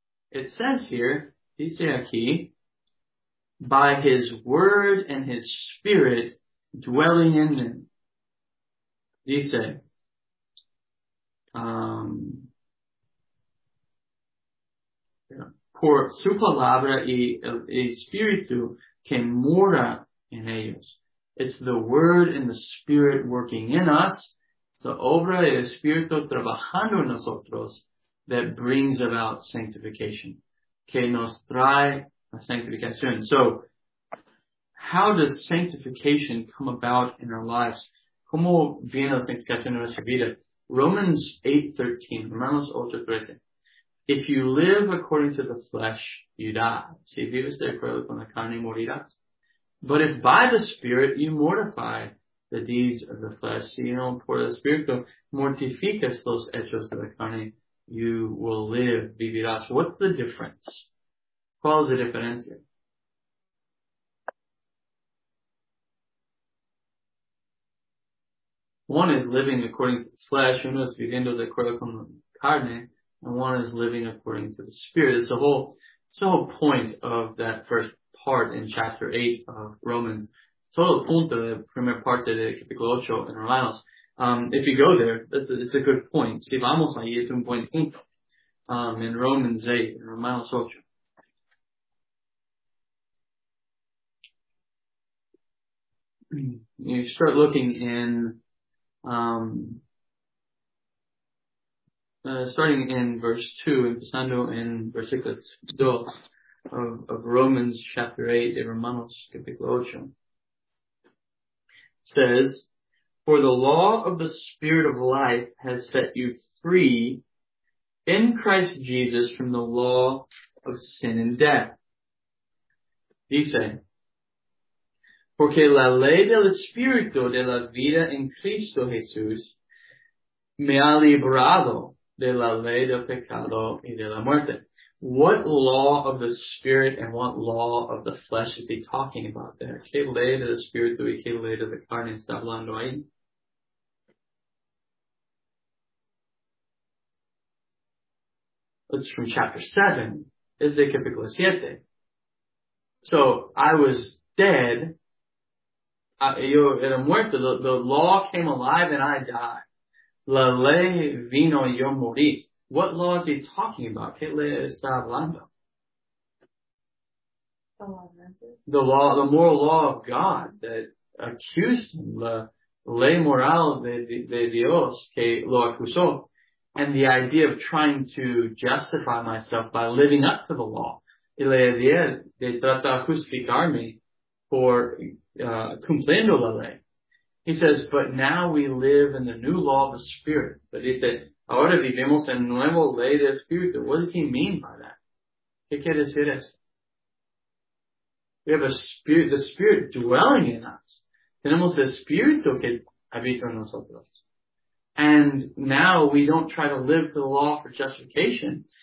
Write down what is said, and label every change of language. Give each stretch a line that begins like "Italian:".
English: It says here,
Spanish: dice aquí,
English: by his word and his spirit dwelling in them.
Spanish: Dice, por su palabra y el espíritu que mora en ellos.
English: It's the word and the spirit working in us. It's the
Spanish: obra del espíritu trabajando en nosotros
English: that brings about sanctification.
Spanish: Que nos trae a sanctificación.
English: So, how does sanctification come about in our lives?
Spanish: ¿Cómo viene la sanctificación en nuestra vida? Romanos 8:13.
English: If you live according to the flesh, you die.
Spanish: Si vives de acuerdo con la carne, morirás.
English: But if by the Spirit you mortify the deeds of the flesh,
Spanish: si no por el Espíritu mortificas los hechos de la carne,
English: you will live,
Spanish: vivirás.
English: What's the difference?
Spanish: ¿Cuál es la diferencia?
English: One is living according to the flesh,
Spanish: uno es viviendo de acuerdo con la carne,
English: and one is living according to the Spirit. It's the whole point of that first part in chapter 8 of Romans.
Spanish: Todo punto de primer parte de capítulo 8 en Romanos.
English: If you go there, it's a good point.
Spanish: Si vamos ahí, es un buen punto.
English: In Romans 8,
Spanish: in Romanos 8.
English: You start looking in, starting in verse 2,
Spanish: empezando in versículo 2.
English: Of Romans chapter 8,
Spanish: de Romanos capítulo 8,
English: says, for the law of the Spirit of life has set you free in Christ Jesus from the law of sin and death.
Spanish: Dice, porque la ley del Espíritu de la vida en Cristo Jesús me ha librado de la ley del pecado y de la muerte.
English: What law of the Spirit and what law of the flesh is he talking about there?
Spanish: ¿Qué ley de la Spirit y qué ley de la carne está hablando ahí?
English: It's from chapter 7.
Spanish: Es de capítulo 7.
English: So, I was dead.
Spanish: Yo era muerto.
English: The law came alive and I died.
Spanish: La ley vino y yo morí.
English: What law is he talking about?
Spanish: ¿Qué ley está hablando?
English: The law of Moses. The law, the moral law of God that accused him.
Spanish: La ley moral de Dios que lo acusó.
English: And the idea of trying to justify myself by living up to the law.
Spanish: Y la idea de tratar de justificarme por cumpliendo la ley.
English: He says, but now we live in the new law of the Spirit. But he said,
Spanish: ahora vivimos en nuevo ley de espíritu.
English: What does he mean by that?
Spanish: ¿Qué quiere decir eso?
English: We have a spirit, the spirit dwelling in us.
Spanish: Tenemos el espíritu que habita en nosotros.
English: And now we don't try to live to the law for justification.